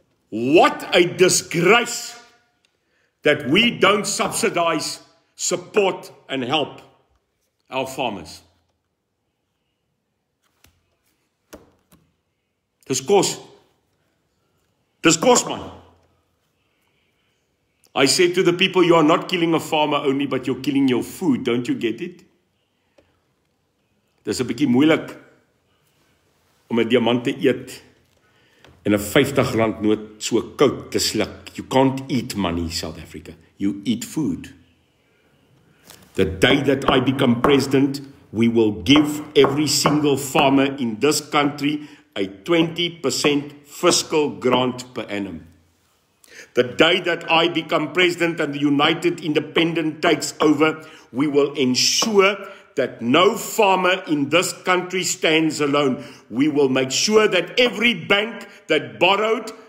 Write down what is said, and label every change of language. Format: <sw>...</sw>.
<en>What a disgrace that we don't subsidize, support and help our farmers.</en> <af>Dis kos. Dis kos, man.</af> <en>I said to the people, you are not killing a farmer only, but you're killing your food. Don't you get it?</en> <af>Dis 'n bietjie moeilik om 'n diamant te eet en 'n 50 rand noot so koud te sluk.</af> <en>You can't eat money, South Africa. You eat food. The day that I become president, we will give every single farmer in this country a 20% fiscal grant per annum. The day that I become president and the United Independent takes over, we will ensure that no farmer in this country stands alone. We will make sure that every bank that borrowed</en>